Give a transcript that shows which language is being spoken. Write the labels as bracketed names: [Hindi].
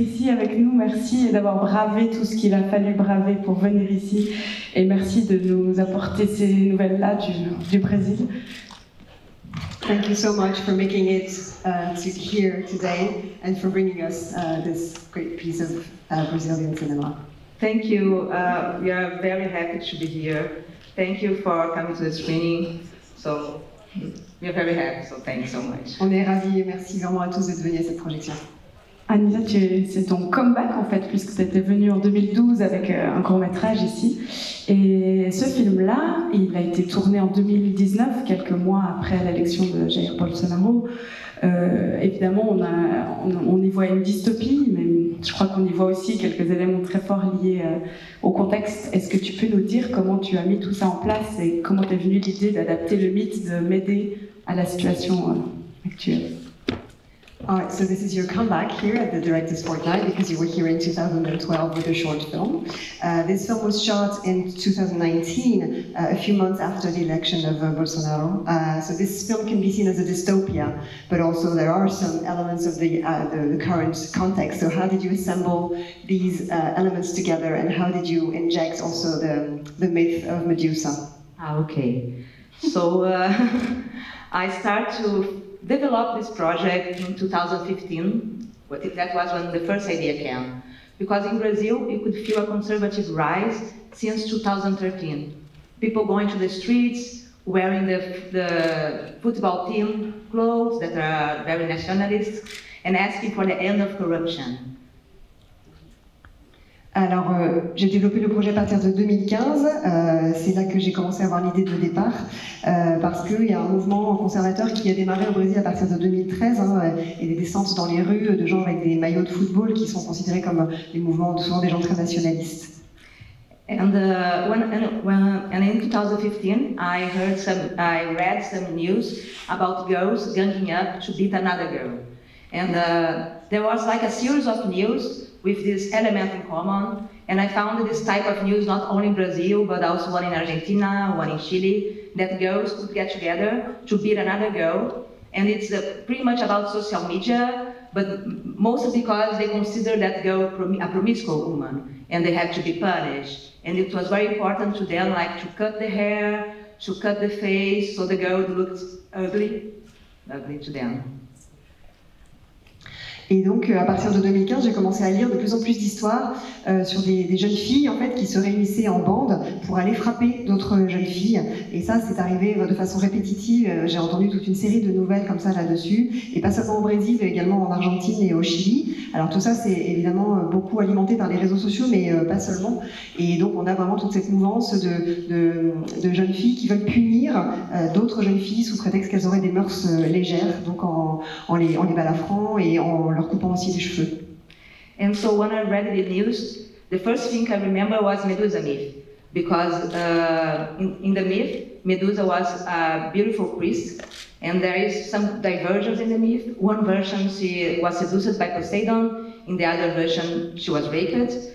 [French] Avec nous, merci d'avoir bravé tout ce qu'il a fallu braver pour venir ici et merci de nous apporter ces nouvelles-là du Brésil. [English] Thank you so much for making it to here today and for bringing us this great piece of Brazilian cinema. Thank you, we are very happy to be here. Thank you for coming to the screening. So, we are very happy, so thank you so much. [French] On est ravis et merci vraiment à tous d'être venus à cette projection. Anita, c'est ton comeback en fait, puisque tu étais venue en 2012 avec un court métrage ici. Et ce film-là, il a été tourné en 2019, quelques mois après l'élection de Jair Bolsonaro. Évidemment, on y voit une dystopie, mais je crois qu'on y voit aussi quelques éléments très forts liés au contexte. Est-ce que tu peux nous dire comment tu as mis tout ça en place et comment t'es venue l'idée d'adapter le mythe de m'aider à la situation actuelle? [English] All right, so this is your comeback here at the Director's Fortnight because you were here in 2012 with a short film. This film was shot in 2019, a few months after the election of Bolsonaro. So this film can be seen as a dystopia, but also there are some elements of the current context. So how did you assemble these elements together and how did you inject also the myth of Medusa? Okay, so I start to developed this project in 2015. That was when the first idea came. Because in Brazil, you could feel a conservative rise since 2013. People going to the streets, wearing the football team clothes that are very nationalist, and asking for the end of corruption. [French] Alors, j'ai développé le projet à partir de 2015. C'est là que j'ai commencé à avoir l'idée de départ, parce qu'il y a un mouvement conservateur qui a démarré au Brésil à partir de 2013, hein, et des descentes dans les rues de gens avec des maillots de football qui sont considérés comme des mouvements souvent des gens très nationalistes. [English] And in 2015, I read some news about girls ganging up to beat another girl, and there was like a series of news with this element in common, and I found this type of news not only in Brazil, but also one in Argentina, one in Chile, that girls could get together to beat another girl, and it's pretty much about social media, but mostly because they consider that girl a promiscuous woman, and they have to be punished. And it was very important to them, like, to cut the hair, to cut the face, so the girl looked ugly to them. [French] Et donc, à partir de 2015, j'ai commencé à lire de plus en plus d'histoires sur des jeunes filles, en fait, qui se réunissaient en bande pour aller frapper d'autres jeunes filles. Et ça, c'est arrivé de façon répétitive. J'ai entendu toute une série de nouvelles comme ça là-dessus. Et pas seulement au Brésil, mais également en Argentine et au Chili. Alors tout ça, c'est évidemment beaucoup alimenté par les réseaux sociaux, mais pas seulement. Et donc, on a vraiment toute cette mouvance de jeunes filles qui veulent punir d'autres jeunes filles sous prétexte qu'elles auraient des mœurs légères, donc en les balafrant et en leur coupant aussi les cheveux. [English] And so when I read the news, the first thing I remember was Medusa myth, because in the myth, Medusa was a beautiful priest, and there is some divergence in the myth. One version, she was seduced by Poseidon, in the other version, she was raped.